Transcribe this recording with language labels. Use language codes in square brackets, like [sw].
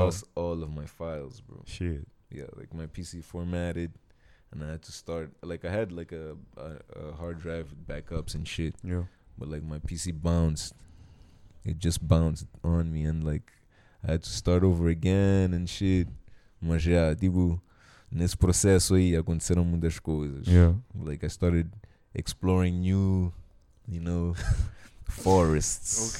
[en] I lost all of my files, bro. Shit. Yeah, like my PC formatted and I had to start. Like I had like a hard drive with backups and shit. Yeah. But like my PC bounced. It just bounced on me and like, I had to start over again and shit. [pt] Mas, yeah, tipo, nesse processo aí aconteceram muitas coisas. [en] Yeah. Like, I started exploring new, you know, forests.